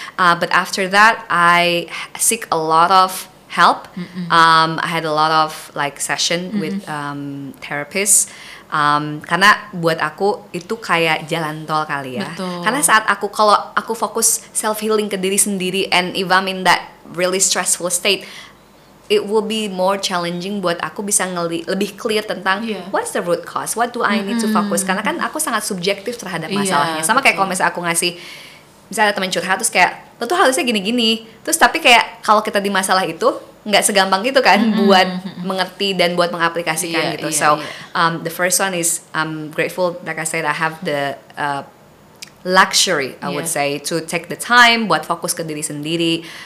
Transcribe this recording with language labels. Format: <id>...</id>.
<en>But after that, I seek a lot of help. I had a lot of like session with therapist.</en> <id>Karena buat aku itu kayak jalan tol kali ya. Betul. Karena saat aku, kalau aku fokus self healing ke diri sendiri,</id> <en>and if I'm in that really stressful state, it will be more challenging</en> <id>buat aku bisa lebih</id> <en>clear</en> <id>tentang</id> <en>what's the root cause, what do I need to focus.</en> <id>Karena kan aku sangat subjektif terhadap masalahnya. Sama kayak kalau misalnya aku ngasih, misalnya ada teman curhat, terus kayak lo tuh harusnya gini-gini, terus tapi kayak kalau kita di masalah itu nggak segampang itu kan buat mengerti dan buat mengaplikasikan gitu.</id> <en>So the first one is I'm grateful, like I said, I have the luxury, I would say, to take the time</en> <id>buat fokus ke diri sendiri.</id>